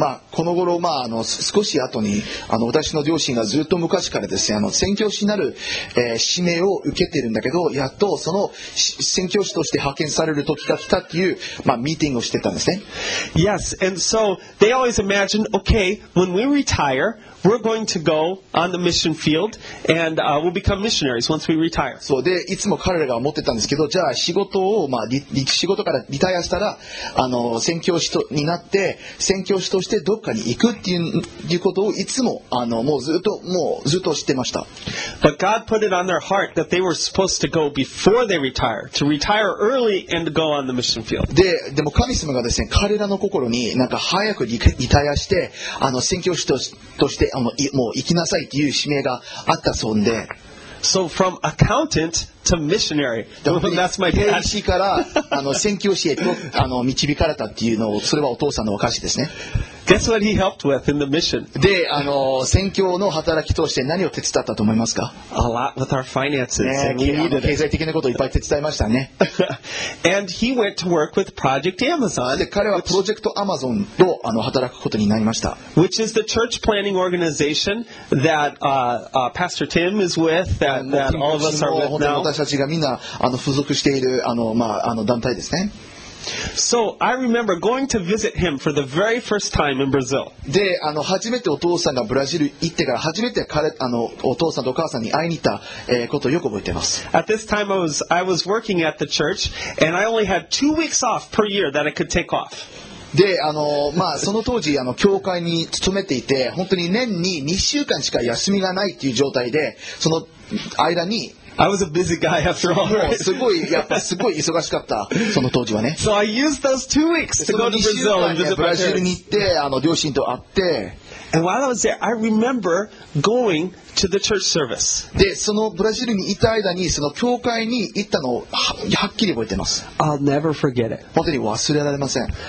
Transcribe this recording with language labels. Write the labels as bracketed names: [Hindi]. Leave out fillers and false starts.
[Japanese] この頃、まあ、少し後に私の両親がずっと昔からですね、宣教師になる、使命を受けているんだけど、やっとその宣教師として派遣される時が来たっていう、まあ、ミーティングをしてたんですね。 [English] Yes, and so they always imagine, okay, when we retire, we're going to go on the mission field and we'll become missionaries once we retire. [Japanese] そうで、いつも彼らが思ってたんですけど、じゃあ仕事を、まあ、仕事からリタイアしたら、宣教師とになって、宣教師としてどっかに行くっていう、ことをいつも、もうずっと、知ってました。 [English] But God put it on their heart that they were supposed to go before they retire, to retire early and go on the mission field. [Japanese] で、でも神様がですね、彼らの心になんか早くリタイアして、宣教師として、もう行きなさいっていう使命があったそうで。 [English] So from accountant to missionary. That's my dad. 兵士 [Japanese] から宣教師へと導かれたっていうのを、それはお父さんの証ですね。 [English] Guess what he helped with in the mission? [Japanese] で、宣教の働き通して何を手伝ったと思いますか？ [English] A lot with our finances. ね、 [Japanese] 経済的なことをいっぱい手伝いましたね。 [English] And he went to work with Project Amazon. [Japanese] で、彼はプロジェクトアマゾンと働くことになりました。 [English] Which is the church planning organization that Pastor Tim is with, that all of us are with now. [Japanese] 私たちがみんな付属している団体ですね。 [English] So I remember going to visit him for the very first time in Brazil. [Japanese] で、初めてお父さんがブラジル行ってから初めて彼お父さんとお母さんに会いに行った、ことをよく覚えてます。 [English] At this time I was working at the church and I only had 2 weeks off per year that I could take off. [Japanese] で、まあ、その当時教会に勤めていて、本当に年に2週間しか休みがないっていう状態で、その間に、 [English] I was a busy guy after all, right? [Japanese] すごい、やっぱすごい忙しかった、その当時はね。 [English] So I used those 2 weeks to go to Brazil and visit my parents. [Japanese] ブラジルに行って、両親と会って、 [English] And while I was there, I remember going to the church service. [Japanese] で、そのブラジルにいた間に、その教会に行ったのをはっきり覚えてます。 [English] I'll never forget it. [Japanese] 本当に忘れられません。